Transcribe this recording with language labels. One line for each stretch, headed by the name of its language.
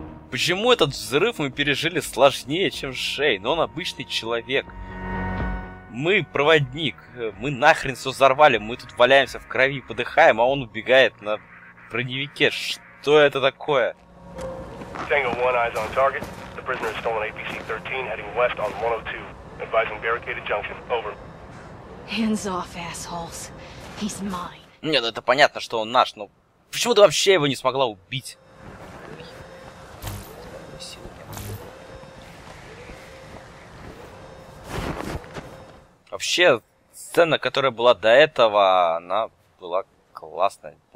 Russian: Почему этот взрыв мы пережили сложнее, чем Шейн? Он обычный человек. Мы проводник, мы нахрен все взорвали, мы тут валяемся в крови, подыхаем, а он убегает на броневике. Что это такое?
English: Tango One eyes on target. The prisoner has stolen APC 13, heading west on 102. Advising barricaded junction. Over. Hands off, assholes. He's mine.
Russian: Не, ну это понятно, что он наш, но почему ты вообще его не смогла убить? Вообще, сцена, которая была до этого, она была классная.